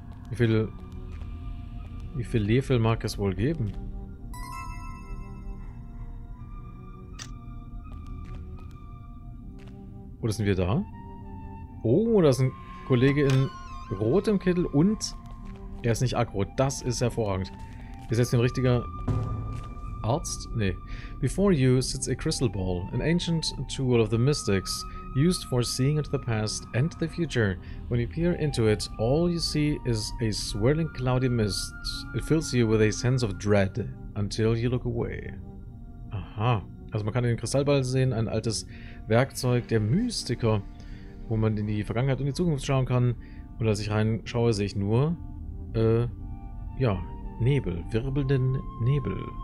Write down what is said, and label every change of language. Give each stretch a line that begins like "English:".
German: Wie viel Level mag es wohl geben? Oder sind wir da? Oh, da ist ein Kollege in rotem Kittel und er ist nicht aggro. Das ist hervorragend. Ist jetzt ein richtiger Arzt? Nee.
English: Before you sits a crystal ball, an ancient tool of the mystics. Used for seeing into the past and the future. When you peer into it, all you see is a swirling cloudy mist. It fills you with a sense of dread until you look away. Aha.
German: Also man kann den Kristallball sehen, ein altes Werkzeug der Mystiker, wo man in die Vergangenheit und die Zukunft schauen kann. Und als ich reinschaue, sehe ich nur, ja, Nebel, wirbelnden Nebel.